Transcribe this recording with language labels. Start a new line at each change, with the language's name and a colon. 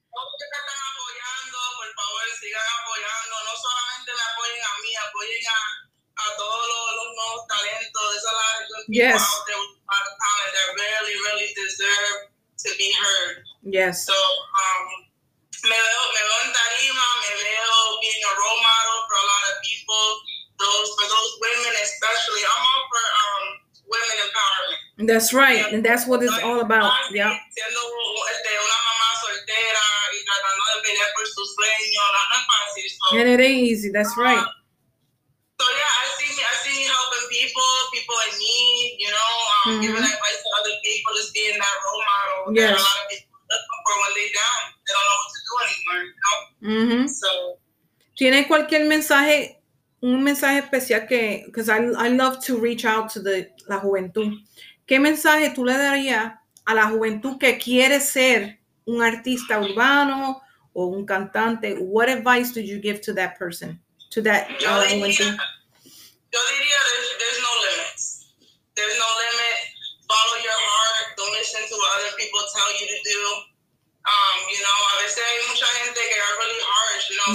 Spanish: Todos que te están apoyando, por favor, sigan apoyando. No solamente me apoyen a mí, apoyen a todos los nuevos talentos.
English: There's a lot of good yes. people out there with a lot of talent that really, really deserve to be heard. Yes. So,
Spanish: me veo en Tarima, me veo
English: being a role model for a lot of people. For those women especially, I'm all for women empowerment. That's right, and that's what it's all about. Yeah.
Spanish: Siendo una mamá soltera y tratando de pelear por sus sueños, no es fácil.
English: And it ain't easy. That's right. So yeah, I see me helping people in need. You know, mm-hmm. giving advice to other people, just being that role model. Yes. When they down, they don't know what to do anymore, you know? Mm-hmm. So,
Spanish: ¿tiene cualquier mensaje, un mensaje especial que,
English: because I love to reach out to
Spanish: la juventud. ¿Qué mensaje tú le darías a la juventud que quiere ser un artista urbano o un cantante?
English: What advice did you give to that person, to that juventud?
Spanish: Yo diría,
English: there's no limits. There's no limit. Follow your heart. Don't listen to what other people tell you to do. You know,
Spanish: a veces hay mucha gente que
English: are really harsh, you know.